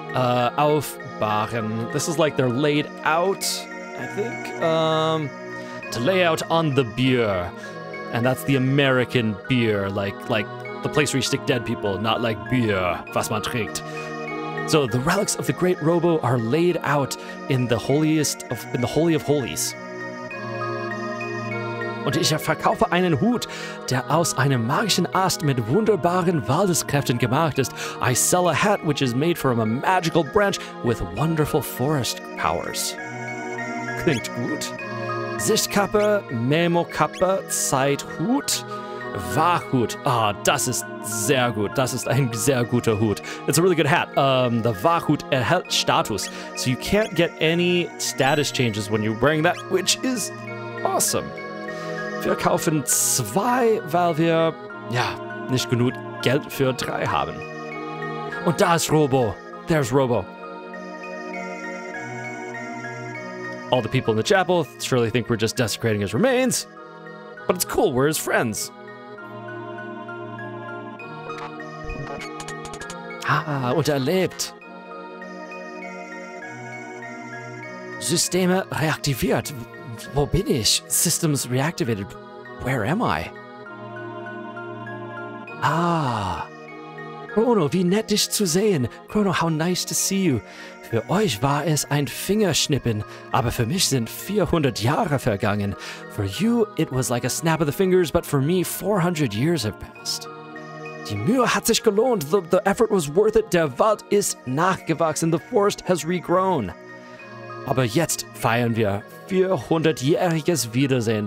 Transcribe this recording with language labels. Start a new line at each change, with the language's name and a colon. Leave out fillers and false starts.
English: Aufbahren. This is like they're laid out, I think. to lay out on the bier. And that's the American bier, like the place where you stick dead people, not like bier,
German: was man trinkt.
English: So the relics of the great Robo are laid out in the Holy of Holies.
German: Und ich verkaufe einen Hut, der aus einem magischen Ast mit wunderbaren Waldeskräften gemacht ist.
English: I sell a hat which is made from a magical branch with wonderful forest powers.
German: Klingt gut. Sichtkappe, Memo-Kappe, Zeithut, Wachhut. Ah, das ist sehr gut. Das ist ein sehr guter Hut.
English: It's a really good hat.
German: The Wachhut erhält Status.
English: So you can't get any status changes when you're wearing that, which is awesome.
German: Wir kaufen zwei, weil wir, ja, nicht genug Geld für drei haben. Und da ist Robo.
English: There's Robo. All the people in the chapel surely think we're just desecrating his remains. But it's cool, we're his friends.
German: Ah, und er lebt. Systeme reaktiviert. Wo bin ich?
English: Systems reactivated. Where am I?
German: Ah. Chrono, wie nett dich zu sehen.
English: Chrono, how nice to see you.
German: Für euch war es ein Fingerschnippen, aber für mich sind 400 Jahre vergangen.
English: For you, it was like a snap of the fingers, but for me, 400 years have passed.
German: Die Mühe hat sich gelohnt.
English: The effort was worth it.
German: Der Wald ist nachgewachsen.
English: The forest has regrown.
German: Aber jetzt feiern wir 400-jähriges Wiedersehen.